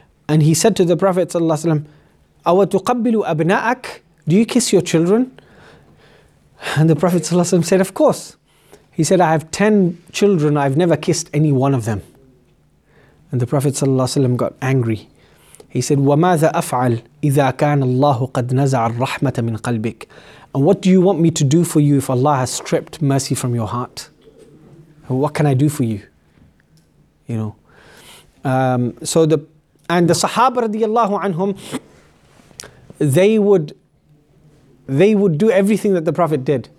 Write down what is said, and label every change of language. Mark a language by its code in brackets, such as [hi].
[en] And he said to the Prophet sallallahu alayhi wasallam, [ar] أَوَتُقَبِّلُ أَبْنَاءَكَ? [en] Do you kiss your children? And the Prophet sallallahu alayhi wasallam said, of course. He said, I have 10 children. I've never kissed any one of them. And the Prophet ﷺ got angry. He said, [ar] وَمَاذَا أَفْعَلْ إِذَا كَانَ اللَّهُ قَدْ نَزَعَ الرَّحْمَةَ مِنْ قَلْبِكَ? [en] And what do you want me to do for you if Allah has stripped mercy from your heart? What can I do for you? You know. The Sahaba radiallahu anhum, they would do everything that the Prophet did.